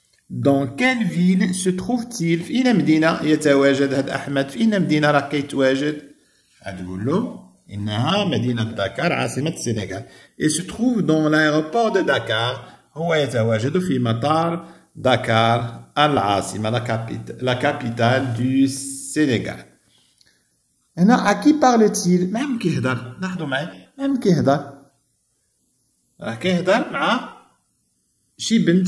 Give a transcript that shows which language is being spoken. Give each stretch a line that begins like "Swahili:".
French: Dans quelle ville se trouve-t-il ?
Arabic: في أين مدينة يتواجد هذا أحمد؟ في أين مدينة راه كيتواجد؟ هتقول له إنها مدينة داكار، عاصمة السنغال.
French: Il se trouve dans l'aéroport de Dakar.
Arabic: هو يتواجد في مطار داكار، العاصمة،
French: la capitale du Sénégal.
Arabic: هنا
French: à qui parle-t-il؟
Arabic: مام كيهضر، لاحظوا معايا، مام كيهضر؟ راه كيهضر مع شي بنت.